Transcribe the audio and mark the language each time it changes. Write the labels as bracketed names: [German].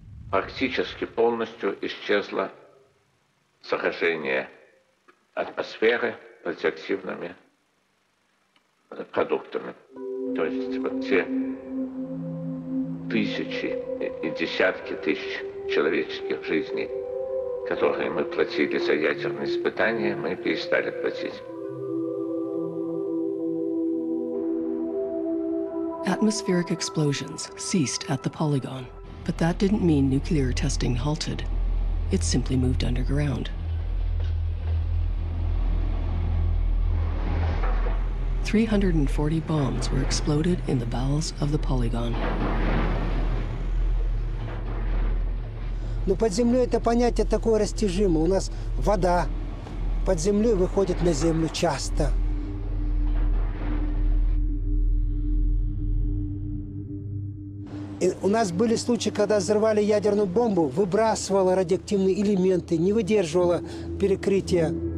[Russian] Практически полностью исчезло заражение атмосферы радиоактивными продуктами. То есть вот те тысячи и десятки тысяч человеческих жизней, которые мы платили за ядерные испытания, мы перестали платить. [English] Atmospheric explosions ceased at the polygon, but that didn't mean nuclear testing halted. It simply moved underground. .340 bombs were exploded in the bowels of the polygon. [Russian] Ну, под землей это понятие такое растяжимое. У нас вода под землей выходит на землю часто. И у нас были случаи, когда взрывали ядерную бомбу, выбрасывала радиоактивные элементы, не выдерживала перекрытия.